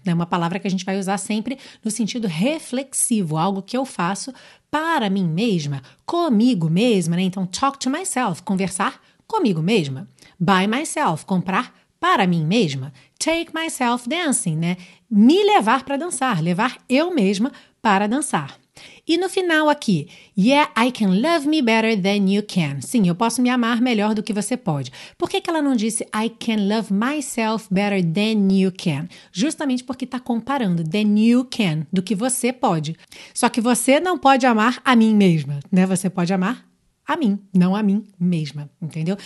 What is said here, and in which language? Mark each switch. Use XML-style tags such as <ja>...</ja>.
<pt>É uma palavra que a gente vai usar sempre no sentido reflexivo, algo que eu faço para mim mesma, comigo mesma, né? Então,</pt> <en>talk to myself,</en> <pt>conversar comigo mesma.</pt> <en>By myself,</en> <pt>comprar para mim mesma.</pt> <en>Take myself dancing,</en> <pt>né? Me levar para dançar, levar eu mesma para dançar. E no final aqui,</pt> <en>yeah, I can love me better than you can.</en> <pt>Sim, eu posso me amar melhor do que você pode. Por que que ela não disse</pt> <en>I can love myself better than you can?</en> <pt>Justamente porque está comparando</pt> <en>than you can,</en> <pt>do que você pode. Só que você não pode amar a mim mesma, né? Você pode amar a mim, não a mim mesma, entendeu?</pt>